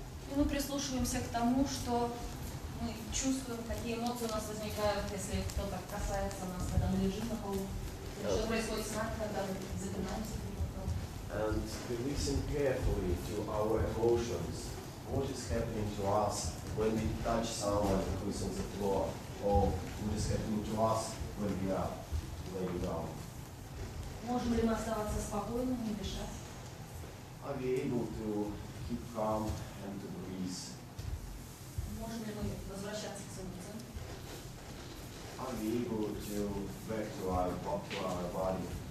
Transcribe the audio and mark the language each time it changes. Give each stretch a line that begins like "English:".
Russian: И мы прислушиваемся к тому, что мы чувствуем, какие эмоции у нас возникают, если кто-то касается нас, когда мы лежим на полу. Что происходит с нами, когда мы запинаемся?
English: And we listen carefully to our emotions. What is happening to us when we touch someone who is on the floor? Or what is happening to us when we are laying down?
Russian: Можем ли мы оставаться спокойными и дышать?
English: Are we able to keep calm and to breathe?
Russian: Можем ли мы возвращаться к своему центру?
English: Are we able to back to our body?